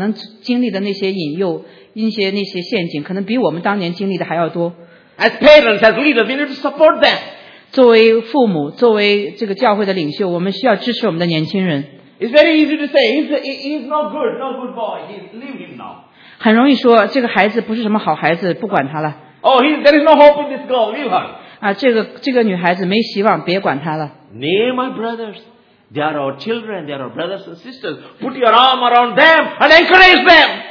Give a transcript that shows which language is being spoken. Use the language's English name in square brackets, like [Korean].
[Chinese] 我这里边很理解我们的年轻人，他们在生命中可能经历的那些引诱。因些那些陷阱，可能比我们当年经历的还要多。 [English] As parents, as leaders, we need to support them. [Chinese] 作为父母，作为这个教会的领袖，我们需要支持我们的年轻人。 [English] It's very easy to say he's no good, no good boy. Leave him now. [Chinese] 很容易说这个孩子不是什么好孩子，不管他了。 [English] Oh, there is no hope in this girl. Leave her. [Chinese] 这个女孩子没希望，别管她了。 [English] Name my brothers. They are our children. They are our brothers and sisters. Put your arm around them and encourage them.